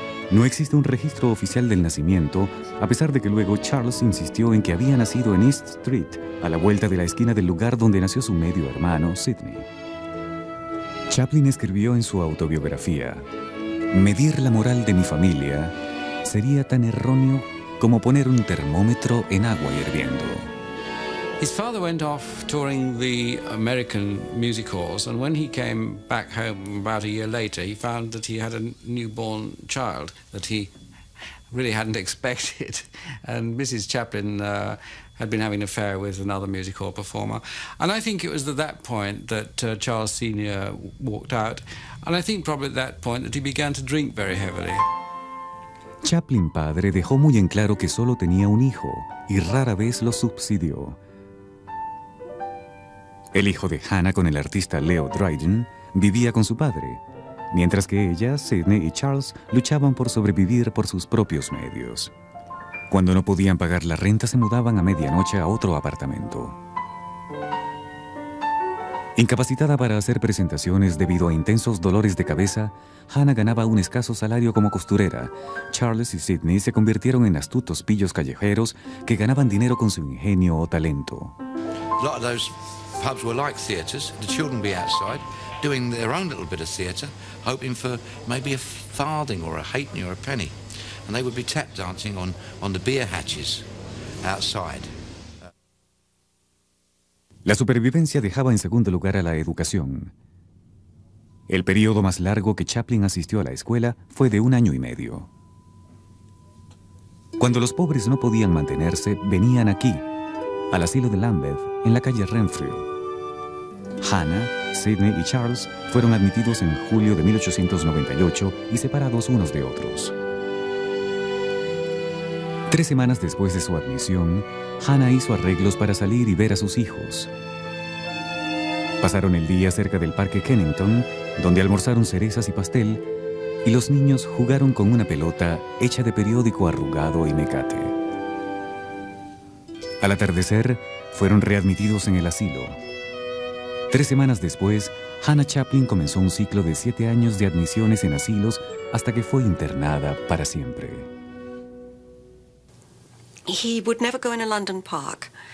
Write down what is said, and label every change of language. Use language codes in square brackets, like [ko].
[es] No existe un registro oficial del nacimiento, a pesar de que luego Charles insistió en que había nacido en East Street, a la vuelta de la esquina del lugar donde nació su medio hermano, Sidney. Chaplin escribió en su autobiografía: "Medir la moral de mi familia sería tan erróneo como poner un termómetro en agua hirviendo". [en] His father went off touring the American music halls, and when he came back home about a year later, he found that he had a newborn child that he really hadn't expected. And Mrs. Chaplin had been having an affair with another music hall performer. And I think it was at that point that Charles Sr. walked out, and I think probably at that point that he began to drink very heavily. [es] Chaplin padre dejó muy en claro que solo tenía un hijo y rara vez lo subsidió. El hijo de Hannah con el artista Leo Dryden vivía con su padre, mientras que ella, Sidney y Charles luchaban por sobrevivir por sus propios medios. Cuando no podían pagar la renta, se mudaban a medianoche a otro apartamento. Incapacitada para hacer presentaciones debido a intensos dolores de cabeza, Hannah ganaba un escaso salario como costurera. Charles y Sidney se convirtieron en astutos pillos callejeros que ganaban dinero con su ingenio o talento. [en] A lot of those pubs were like theaters. The children would be outside doing their own little bit of theater, hoping for maybe a farthing or a halfpenny or a penny. And they would be tap dancing on the beer hatches outside. [es] La supervivencia dejaba en segundo lugar a la educación. El periodo más largo que Chaplin asistió a la escuela fue de un año y medio. Cuando los pobres no podían mantenerse, venían aquí, al asilo de Lambeth, en la calle Renfrew. Hannah, Sidney y Charles fueron admitidos en julio de 1898 y separados unos de otros. Tres semanas después de su admisión, Hannah hizo arreglos para salir y ver a sus hijos. Pasaron el día cerca del parque Kennington, donde almorzaron cerezas y pastel, y los niños jugaron con una pelota hecha de periódico arrugado y mecate. Al atardecer, fueron readmitidos en el asilo. Tres semanas después, Hannah Chaplin comenzó un ciclo de 7 años de admisiones en asilos hasta que fue internada para siempre. [en] He would never go in a London park.